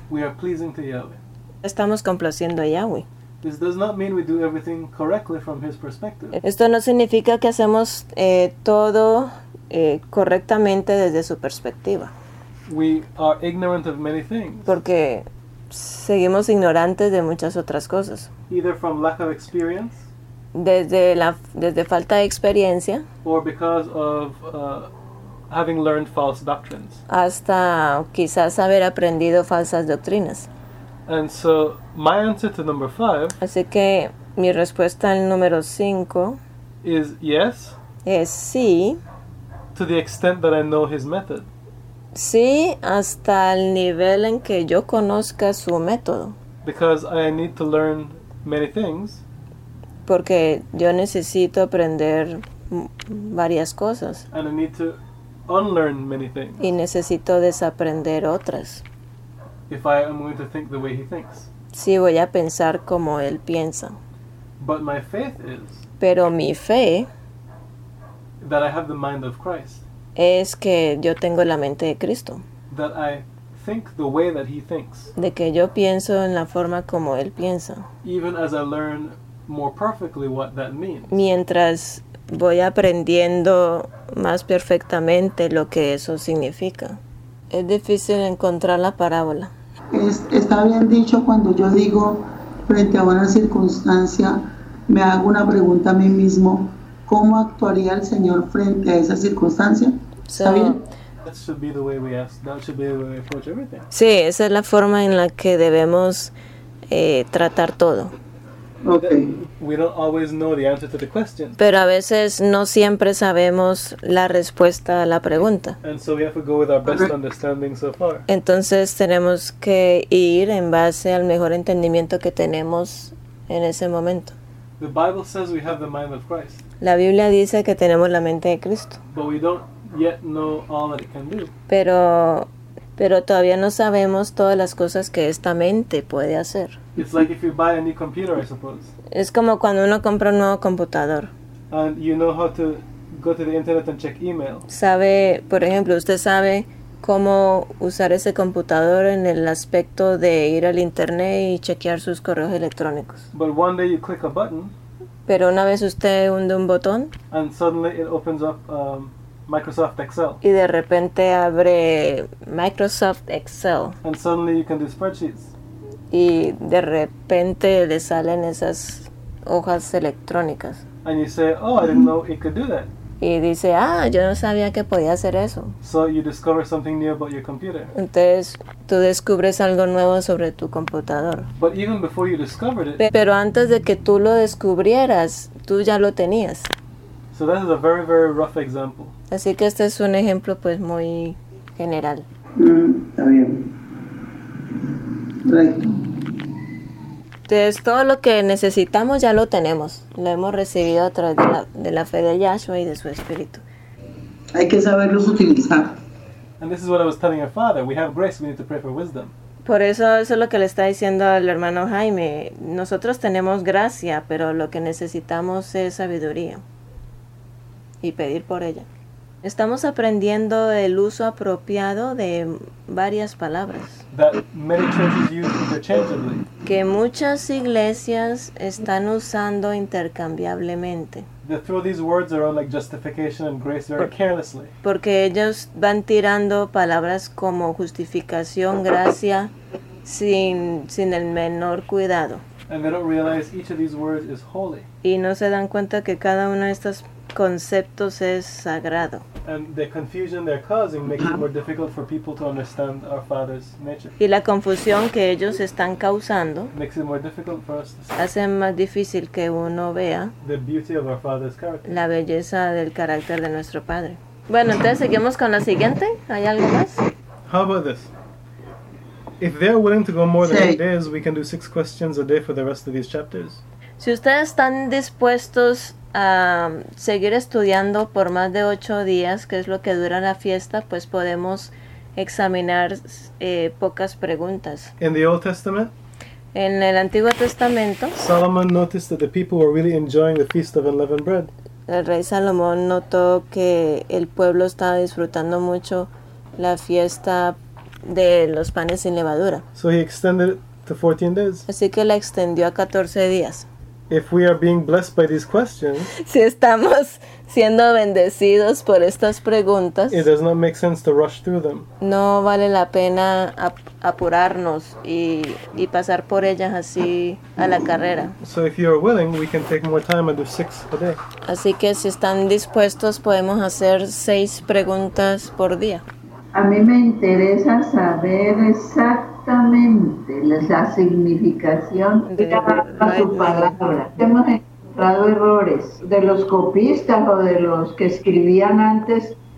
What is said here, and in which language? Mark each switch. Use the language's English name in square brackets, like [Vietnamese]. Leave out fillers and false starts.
[English] we are pleasing to Yahweh. [Spanish] estamos complaciendo a Yahweh. [English] This does not mean we do everything correctly from his perspective. [Spanish] Esto no significa que hacemos todo correctamente desde su perspectiva. [English] We are ignorant of many things. [Spanish] Porque seguimos ignorantes de muchas otras cosas. [English] Either from lack of experience, [Spanish] Desde falta de experiencia [English] or because of having learned false doctrines. [Spanish] hasta quizás haber aprendido falsas doctrinas. [English] And so my answer to number five [Spanish] Así que mi respuesta al número 5 [English] is yes [Spanish] es sí. [English] to the extent that I know his method. [Spanish] Sí, hasta el nivel en que yo conozca su método. [English] Because I need to learn many things. [Spanish] Porque yo necesito aprender varias cosas. [English] And I need to unlearn many things. [Spanish] Y necesito desaprender otras. [English] If I am going to think the way he thinks. [Spanish] Sí, voy a pensar como él piensa. [English] But my faith is. [Spanish] Pero mi fe. [English] That I have the mind of Christ. [Spanish] Es que yo tengo la mente de Cristo. [English] That I think the way that he thinks. [Spanish] De que yo pienso en la forma como él piensa. [English] Even as I learn more perfectly what that means. [Spanish] Mientras voy aprendiendo más perfectamente lo que eso significa. Es difícil encontrar la parábola. Está bien dicho cuando yo digo, frente a una circunstancia, me hago una pregunta a mí mismo, ¿cómo actuaría el Señor frente a esa circunstancia? ¿Está bien? [English] That should be the way we ask. That should be the way we approach everything. [Spanish] Sí, esa es la forma en la que debemos tratar todo. [English] Okay. We don't always know the answer to the question. [Spanish] Pero a veces no siempre sabemos la respuesta a la pregunta. [English] And so we have to go with our best understanding so far. [Spanish] Entonces tenemos que ir en base al mejor entendimiento que tenemos en ese momento. [English] The Bible says we have the mind of Christ. [Spanish] La Biblia dice que tenemos la mente de Cristo. [English] But we don't yet know all that it can do. [Spanish] Pero todavía no sabemos todas las cosas que esta mente puede hacer. [English] It's like if you buy a new computer, I suppose. [Spanish] Es como cuando uno compra un nuevo computador. [English] And you know how to go to the internet and check email. [Spanish] Sabe, por ejemplo, usted sabe cómo usar ese computador en el aspecto de ir al internet y chequear sus correos electrónicos. [English] But one day you click a button. [Spanish] Pero una vez usted hunde un botón. [English] And suddenly it opens up Microsoft Excel. [Spanish] Y de repente abre Microsoft Excel. [English] And suddenly you can do spreadsheets. [Spanish] Y de repente le salen esas hojas electrónicas. [English] And you say, oh, I didn't know it could do that. [Spanish] Y dice, ah, yo no sabía que podía hacer eso. [English] So you discover something new about your computer. [Spanish] Entonces, tú descubres algo nuevo sobre tu computador. [English] But even before you discovered it. [Spanish] Pero antes de que tú lo descubrieras, tú ya lo tenías. [English] So that is a very, very rough example. [Spanish] Así que este es un ejemplo, pues, muy general. Está bien. Entonces todo lo que necesitamos ya lo tenemos, lo hemos recibido a través de la fe de Yahshua y de su Espíritu. Hay que saberlos utilizar. [English] And this is what I was telling your father. We have grace. We need to pray for wisdom. [Spanish] Por eso es lo que le está diciendo al hermano Jaime. Nosotros tenemos gracia, pero lo que necesitamos es sabiduría y pedir por ella. Estamos aprendiendo el uso apropiado de varias palabras. [English] That many churches use interchangeably. [Spanish] Que muchas iglesias están usando intercambiablemente. [English] They throw these words around like justification and grace very carelessly. [Spanish] Porque ellos van tirando palabras como justificación, gracia, sin el menor cuidado. [English] And they don't realize each of these words is holy. [Spanish] Y no se dan cuenta que cada una de estas conceptos es sagrado. [English] And the confusion they're causing makes it more difficult for people to understand our Father's nature. [Spanish] Y la confusión que ellos están causando [English] makes it more difficult for us to see. [Spanish] Hace más difícil que uno vea [English] the beauty of our Father's character. [Spanish] La belleza del carácter de nuestro Padre. Bueno, entonces seguimos con la siguiente. ¿Hay algo más? [English] How about this? If they are willing to go more than 8 days, we can do 6 questions a day for the rest of these chapters. [Spanish] Si ustedes están dispuestos a seguir estudiando por más de 8 días, que es lo que dura la fiesta, pues podemos examinar pocas preguntas. [English] In the Old Testament, [Spanish] en el Antiguo Testamento, [English] Solomon noticed that the people were really enjoying the Feast of Unleavened Bread. [Spanish] El rey Salomón notó que el pueblo estaba disfrutando mucho la fiesta de los panes sin levadura. [English] So he extended it to 14 days. [Spanish] Así que la extendió a 14 días. [English] If we are being blessed by these questions, [Spanish] si estamos siendo bendecidos por estas preguntas, [English] it does not make sense to rush through them. [Spanish] No vale la pena apurarnos y pasar por ellas así a la carrera. [English] So if you are willing, we can take more time and do 6 a day. [Spanish] Así que si están dispuestos, podemos hacer 6 preguntas por día. A mí me interesa saber exactamente la significación de la su palabra. Hemos encontrado errores de los copistas o de los que escribían antes